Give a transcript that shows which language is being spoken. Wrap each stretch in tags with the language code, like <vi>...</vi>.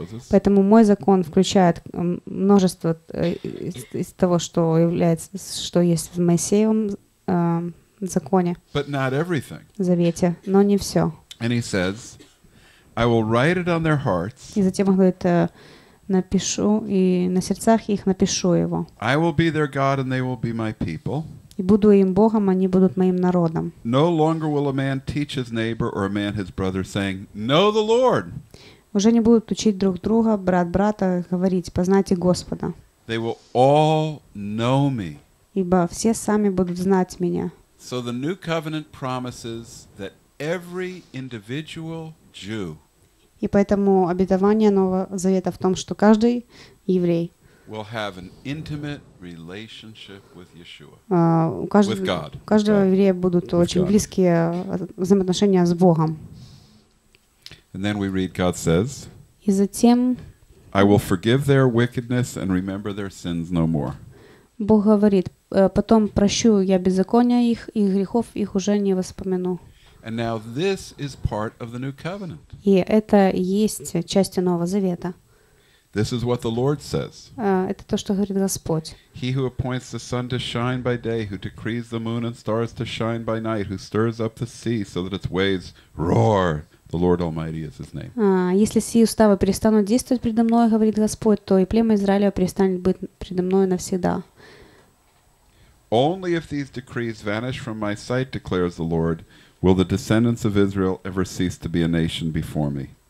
<ru>Поэтому мой закон включает множество из того, что является, что есть в Моисеевом законе, в Завете, но не все.</ru> <en>And he says, I will write it on their hearts.</en> <ru>И затем он говорит, напишу и на сердцах их напишу его.</ru> <en>I will be their God and they will be my people.</en> <ru>И буду им Богом, они будут моим народом.</ru> <en>No longer will a man teach his neighbor or a man his brother, saying, "Know the Lord."</en> <ru>Уже не будут учить друг друга, брат брата, говорить, познайте Господа.</ru> <en>They will all know me.</en> <ru>Ибо все сами будут знать меня.</ru> <en>So the new covenant promises that every individual Jew.</en> <ru>И поэтому обетование Нового Завета в том, что каждый еврей, у каждого еврея будут очень близкие взаимоотношения с Богом.</ru> <en>And then we read, God says,</en> <ru>и затем</ru> <en>I will forgive their wickedness and remember their sins no more.</en> <ru>Бог говорит, потом прощу я беззакония их и грехов их уже не воспомяну.</ru> <en>And now this is part of the new covenant.</en> <ru>И это есть часть Нового Завета.</ru> <en>This is what the Lord says.</en> <ru>Это то, что говорит Господь.</ru> <en>He who appoints the sun to shine by day, who decrees the moon and stars to shine by night, who stirs up the sea so that its waves roar. The Lord Almighty is his name.</en> <ru>Если сии уставы перестанут действовать предо мною, говорит Господь, то и племя Израиля перестанет быть предо мною навсегда.</ru> <en>Only if these decrees vanish from my sight, declares the Lord, will the descendants of Israel ever cease to be a nation before me.</en>